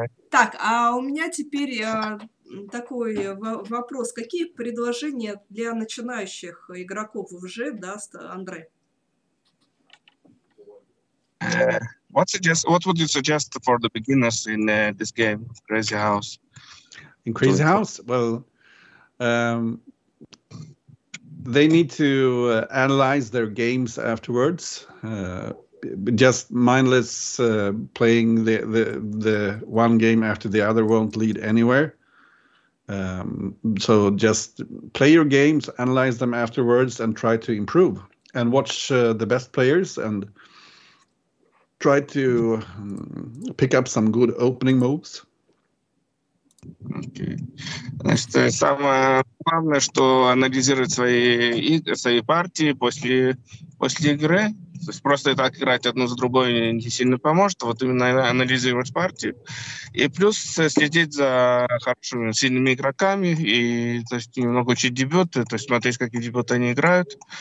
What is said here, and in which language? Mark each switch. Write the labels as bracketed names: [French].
[Russian] Так, а у меня теперь такой вопрос. Какие предложения для начинающих игроков уже даст Андре? [English] What would you suggest for the beginners in this game, Crazy House? In Crazy House? Well, they need to analyze their games afterwards. Just mindless playing the one game after the other won't lead anywhere. So just play your games, analyze them afterwards, and try to improve. And watch the best players and try to pick up some good opening moves. [Russian] Значит, самое главное, что анализировать свои партии после игры. То есть просто так играть одну за другой не сильно поможет, вот именно анализировать партию. И плюс следить за хорошими, сильными игроками и, то есть, немного учить дебюты, то есть смотреть, какие дебюты они играют.